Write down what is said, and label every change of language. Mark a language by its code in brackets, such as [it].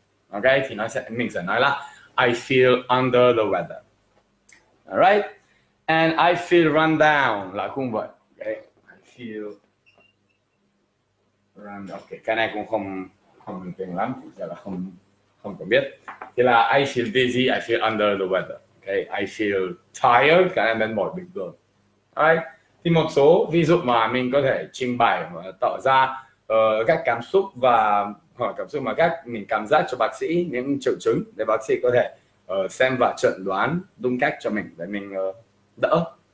[en] Ok, [vi] thì mình sẽ nói là [en] I feel under the weather. Alright. And I feel run down [vi] là cũng vậy. [en] Okay. I feel run down. Okay. [vi] Cái này cũng không bình tĩnh lắm, thì là không có biết. Thì là [en] I feel dizzy, I feel under the weather. [vi] Okay, [en] I feel tired, [vi] cái này mệt mỏi bình thường. [en] Alright, [vi] thì một số ví dụ mà mình có thể trình bày và tỏ ra các cảm xúc và hoặc cảm xúc mà các mình cảm giác cho bác sĩ, những triệu chứng để bác sĩ có thể xem và chẩn đoán đúng cách cho mình để mình đỡ.